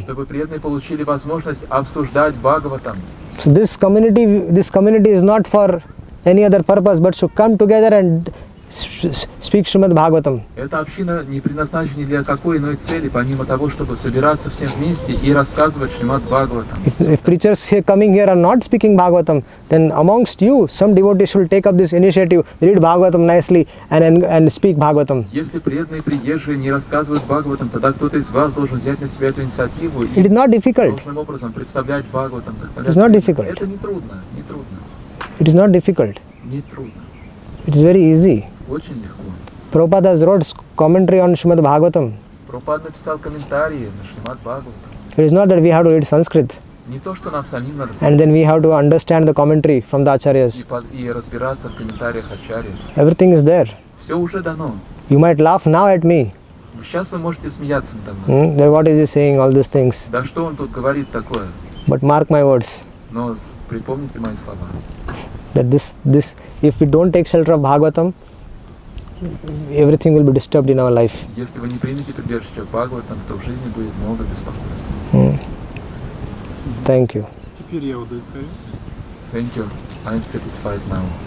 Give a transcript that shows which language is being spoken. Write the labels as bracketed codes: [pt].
[ru] Чтобы преданные получили возможность обсуждать Бхагаватам. [en] So this community is not for any other purpose, but to come together and speak Srimad Bhagavatam. [ru] Эта община не предназначена для какой иной цели, помимо того, чтобы собираться все вместе и рассказывать Srimad Bhagavatam. [en] If preachers here coming here are not speaking Bhagavatam, then amongst you, some devotees should take up this initiative, read Bhagavatam nicely and speak Bhagavatam. [ru] Если преданные приезжие не рассказывают Бхагаватам, тогда кто-то из вас должен взять на себя эту инициативу. [en] It is not difficult. [ru] Должным образом представлять Бхагаватам. [en] It is not difficult. [ru] Это не трудно, не трудно. [en] It is not difficult. [ru] Не трудно. [en] It is very easy. [ru] Очень легко. [en] Prabhupada has wrote commentary on Srimad Bhagavatam. [ru] Prabhupada написал комментарии на Srimad Bhagavatam. [en] It is not that we have to read Sanskrit. [ru] Не то, что нам самим надо. [en] And then we have to understand the commentary from the acharyas. [ru] И разбираться в комментариях ачарьев. [en] Everything is there. [ru] Все уже дано. [en] You might laugh now at me. [ru] Сейчас вы можете смеяться надо мной. [en] Then what is he saying, all these things? [ru] Да что он тут говорит такое? [en] But mark my words. [ru] Но припомните мои слова. [en] That this, if we don't take shelter of Bhagavatam, everything will be disturbed in our life. [ru] Если вы не примете прибежище в Бхагаватам, то в жизни будет много беспокойств. [en] Thank you. [ru] Теперь я удовлетворен. [en] Thank you. I am satisfied now.